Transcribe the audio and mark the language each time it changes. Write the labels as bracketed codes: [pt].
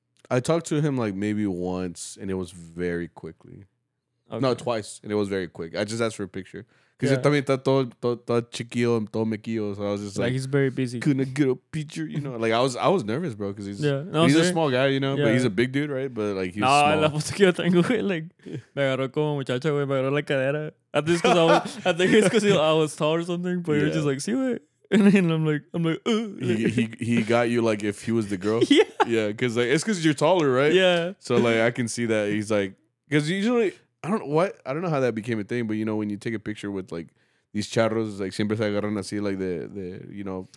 [en] I talked to him, like, maybe once, and it was very quickly. Okay. No, twice, and it was very quick. I just asked for a picture. Because yeah. [es] También está todo chiquillo, todo mequillo. [en] So I was just like he's very busy. Couldn't get a picture, you know? Like, I was nervous, bro, because he's a small guy, you know? Yeah. But he's a big dude, right? But, like, he's small. [es] No, la foto que yo tengo, [en] like, [es] me agarró como muchacho, güey, me agarró la cadera. [en] I think it's because I was tall or something, but you're just like, see what? And then I'm like, he got you, like, if he was the girl? Yeah. Yeah, because, like, it's because you're taller, right? Yeah. So, like, I can see that. He's like, because usually... I don't know how that became a thing, but you know when you take a picture with like these charros, like [es] siempre se agarran así, [en] like the you know.